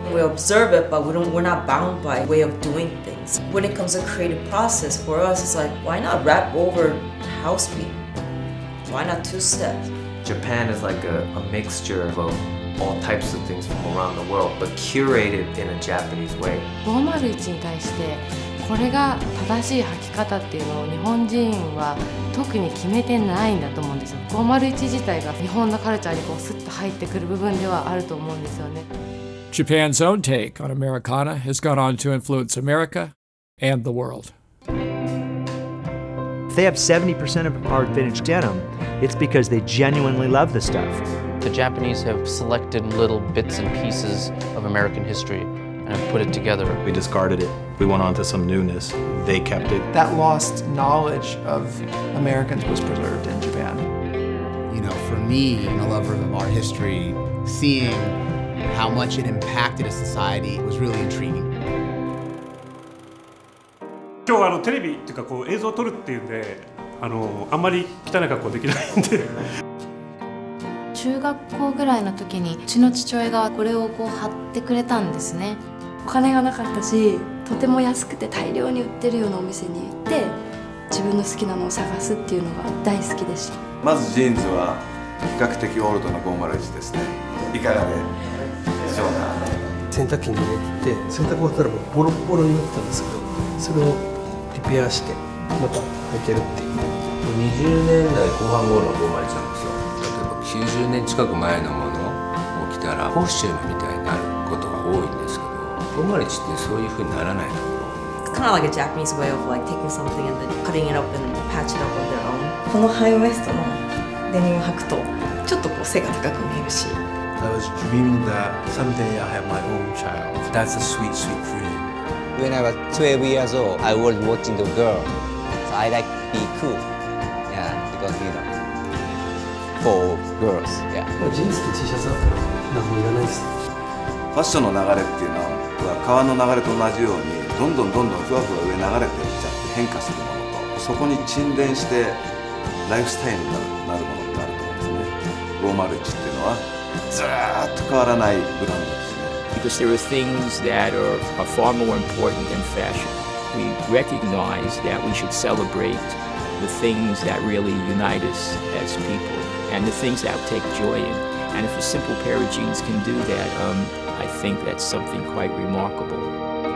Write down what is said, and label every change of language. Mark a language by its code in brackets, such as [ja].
[en] We observe it, but we're not bound by way of doing things. When it comes to creative process, for us, it's like, why not rap over house beat? Why not two steps? Japan is like a mixture of all types of things from around the world, but curated in a Japanese way. [ja] 501に対してこれが正しい履き方っていうのを日本人は特に決めてないんだと思うんですよ。 501自体が日本のカルチャーにこうスッと入ってくる部分ではあると思うんですよね。 [en] Japan's own take on Americana has gone on to influence America and the world. If they have 70% of our vintage denim, it's because they genuinely love the stuff. The Japanese have selected little bits and pieces of American history and have put it together. We discarded it. We went on to some newness. They kept it. That lost knowledge of Americans was preserved in Japan. You know, for me, a lover of our history, seeing how much it impacted a society was really intriguing. [ja] 今日はテレビっていうかこう映像を撮るっていうんで、あんまり汚い格好できないんで。中学校ぐらいの時にうちの父親がこれをこう貼ってくれたんですね。お金がなかったし、とても安くて大量に売ってるようなお店に行って自分の好きなのを探すっていうのが大好きでした。まずジーンズは比較的オールドの501ですね。いかがでしょうか。洗濯機に入れて、洗濯終わったらもうボロボロになってたんですけど、それをリペアしてまた履いてるっていう。 20年代後半頃の501なんですよ。 90年近く前のものを着たらコスチュームみたいになることが多いんですけど、501ってそういう風にならないと思う。 [en] It's kind of like a Japanese way of like taking something and then cutting it up and patch it up on their own. [ja] このハイウエストのデニムを履くとちょっとこう背が高く見えるし。 [en] I was dreaming that someday I have my own child. That's a sweet, sweet dream. When I was 12 years old, I was watching the girl. So I like to be cool. Yeah, because you know. For girls, yeah. [ja] ジーンズと T シャツだったら何もいらないです。ファッションの流れっていうのは川の流れと同じようにどんどんどんどんふわふわ上流れていっちゃって変化するものと、そこに沈殿してライフスタイルになるものってあると思うんですね。 501っていうのはずーっと変わらないブランドですね。 [en] Because there are things that are far more important than fashion. We recognize that we should celebrate the things that really unite us as people. And the things that take joy in. And if a simple pair of jeans can do that, I think that's something quite remarkable.